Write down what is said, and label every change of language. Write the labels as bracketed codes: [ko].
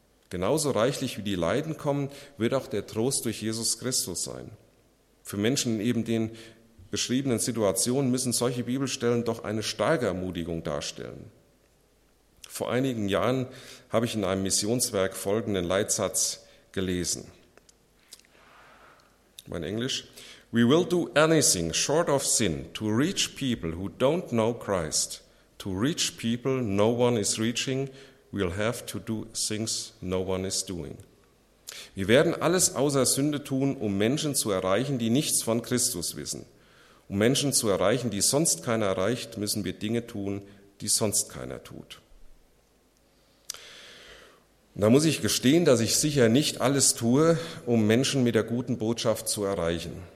[de] Genauso reichlich wie die Leiden kommen, wird auch der Trost durch Jesus Christus sein. Für Menschen in eben den beschriebenen Situationen müssen solche Bibelstellen doch eine starke Ermutigung darstellen. Vor einigen Jahren habe ich in einem Missionswerk folgenden Leitsatz gelesen. Mein Englisch. [en] We will do anything short of sin to reach people who don't know Christ. To reach people no one is reaching, we'll have to do things no one is doing. [de] Wir werden alles außer Sünde tun, um Menschen zu erreichen, die nichts von Christus wissen. Um Menschen zu erreichen, die sonst keiner erreicht, müssen wir Dinge tun, die sonst keiner tut. Da muss ich gestehen, dass ich sicher nicht alles tue, um Menschen mit der guten Botschaft zu erreichen.